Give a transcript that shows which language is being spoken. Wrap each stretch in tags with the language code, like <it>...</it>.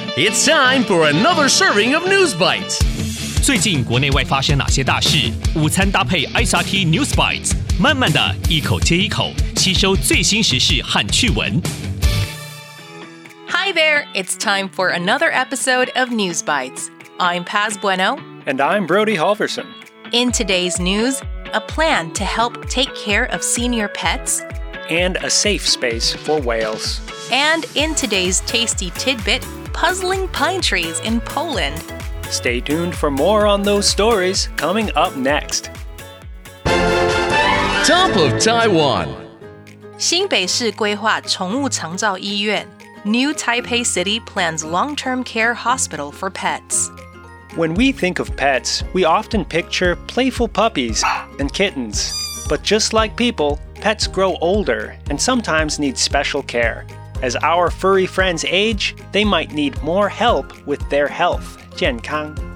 <en>It's time for another serving of News Bites.</en> <zh>最近国内外发生哪些大事？午餐搭配 SRT News Bites， 慢慢的一口接一口，吸收最新时事和趣闻。</zh> <en>Hi there, it's time for another episode of News Bites. I'm Paz Bueno. And I'm Brody Halverson. In today's news, a plan to help take care of senior pets. And a safe space for whales. And in today's tasty tidbit, puzzling pine trees in Poland. Stay tuned for more on those stories coming up next. Top of Taiwan.</en> <zh>新北市规划宠物长照医院。</zh> <en>New Taipei City plans long-term care hospital for pets. When we think of pets, we often picture playful puppies and kittens. But just like people, pets grow older and sometimes need special care. As our furry friends age, they might need more help with their health, 健康.</en>